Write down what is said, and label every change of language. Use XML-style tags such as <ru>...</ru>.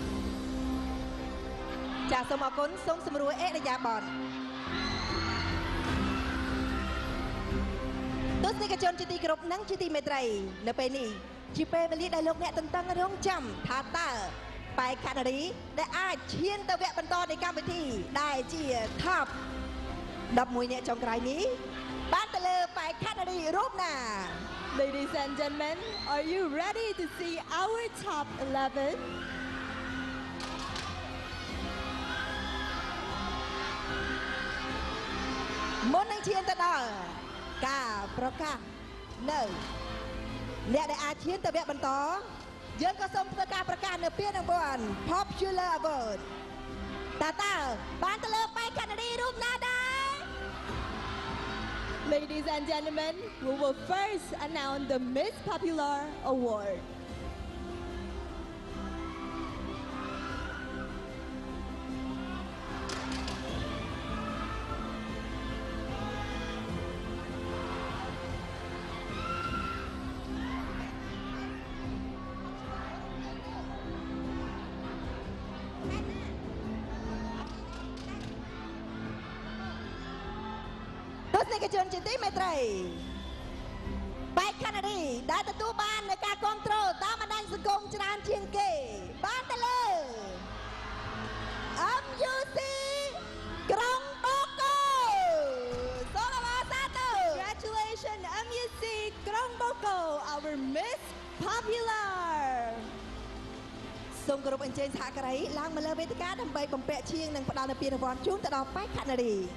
<km>សូមអរគុណសូមសម្រួលអេរយាបតទស្សនិកជនជាទីគោរពនិងជាទីមេត្រីនៅពេលនេះជាពេលវេលាដែលលោកអ្នកតន្ទឹងរង់ចាំថាតើបេក្ខនារីដែលអាចឈានទៅវគ្គបន្តនៃកម្មវិធីដែលជា Top 11អ្នកចុងក្រោយនេះបានទៅលើបេក្ខនារីរូបណា</km> <en>Ladies and gentlemen, are you ready to see our Top 11?</en> <km>មុននឹងឈានទៅដល់ការប្រកាសនៅអ្នកដែលអាចឈានទៅវគ្គបន្តយើងក៏សូមធ្វើការប្រកាសនៅពានរង្វាន់ Popular Award តាតាបានទៅលើបេក្ខនារីរូបណាដែរ</km> <en>Ladies and gentlemen, we will first announce the Miss Popular Award.</en> <km>ជនជាទីមេត្រីបេក្ខនារីដែលទទួលបានការគាំទ្រតាមបណ្ដាញសង្គមច្រើនជាងគេបានទៅលើ MUC ក្រុងបូកូសូមអបអរសាទរ</km> <en>Congratulations MUC ក្រុងបូកូ Our Miss Popular</en> <km>សូមគោរពអញ្ជើញសហការីឡើងមកលើវេទិកាដើម្បីបំពាក់ឈៀងនិងផ្ដល់នូវពានរង្វាន់ជូនទៅដល់បេក្ខនារី</km>